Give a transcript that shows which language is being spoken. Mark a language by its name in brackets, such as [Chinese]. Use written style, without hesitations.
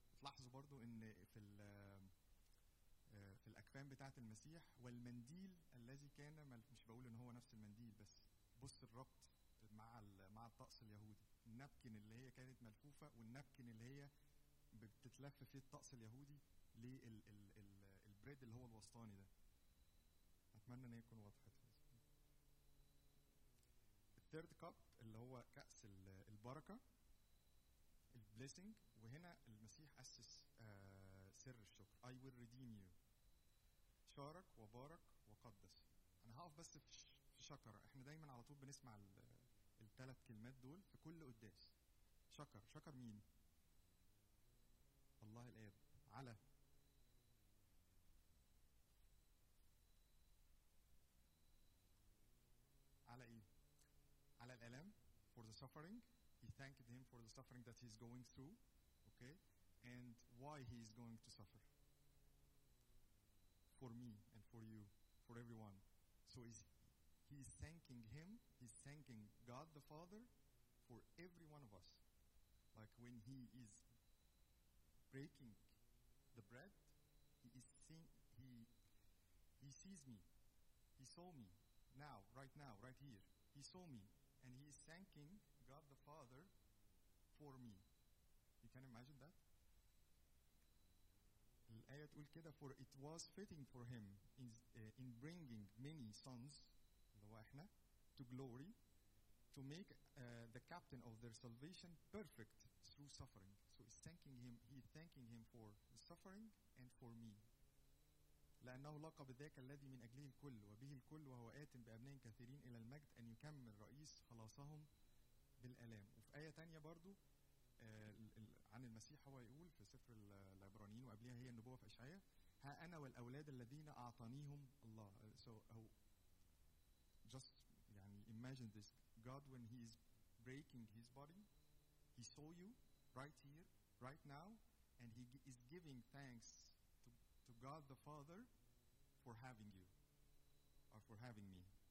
[Arabic] تلاحظوا برضو ان في الاكفان بتاعه المسيح والمنديل الذي كان، مش بقول ان هو نفس المنديل بس بص الربط مع الطقس اليهودي، النابكن اللي هي كانت ملفوفه والنابكن اللي هي بتتلف في الطقس اليهودي للبريد اللي هو الوسطاني ده. اتمنى ان يكون واضح. الثيرد كاب اللي هو كاس البركه البليسنج، وهنا المسيح اسس سر الشكر. [English] I will redeem you، شارك وبارك وقدس. [Arabic] انا هقف بس في شكر. احنا دايما على طول بنسمع الثلاث كلمات دول في كل قداس. شكر، شكر مين؟ الله الاب على ايه؟ على الالم، for the suffering. [English] He thanked him for the suffering that he's going through. Okay, and why he is going to suffer for me and for you, for everyone. So he's thanking him, he's thanking God the Father for every one of us. Like when he is breaking the bread, he sees me, he saw me now, right now, right here. He saw me and he is thanking God the Father for me. You can imagine that. الآية تقول كده، for it was fitting for him in bringing many sons اللي هو احنا to glory to make the captain of their salvation perfect through suffering. So he's thanking him, he's thanking him for the suffering and for me. [Arabic] لأنه لقب ذاك الذي من أجله الكل وبه الكل وهو آت بأبناء كثيرين إلى المجد أن يكمل رئيس خلاصهم بالألام. وفي آية تانية برضو عن المسيح هو يقول في سفر العبرانيين وقبلها هي النبوة في إشعياء، ها أنا والأولاد الذين أعطانيهم الله. [English] So just يعني imagine this. God when he is breaking his body, he saw you right here, right now, and he is giving thanks to God the Father for having you or for having me.